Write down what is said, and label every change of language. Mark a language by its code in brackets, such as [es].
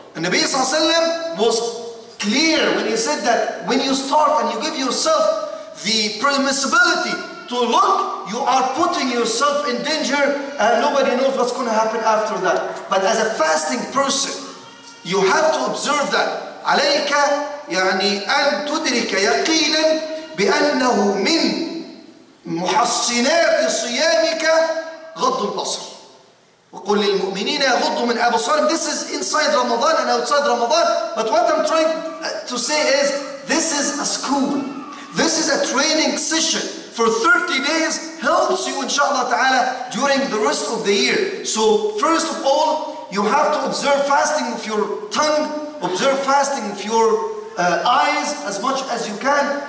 [en] And Nabi Sallallahu Alaihi Wasallam was clear when he said that when you start and you give yourself the permissibility to look, you are putting yourself in danger and nobody knows what's going to happen after that. But as a fasting person, you have to observe that. [ar] عليك يعني أن تدرك يقينا بأنه من محسنات صيامك غض البصر وقل للمؤمنين يغضوا من أبصارهم. [en] This is inside Ramadan and outside Ramadan, but what I'm trying to say is this is a school. This is a training session for 30 days, helps you inshallah ta'ala during the rest of the year. So first of all, you have to observe fasting of your tongue, observe fasting of your eyes as much as you can.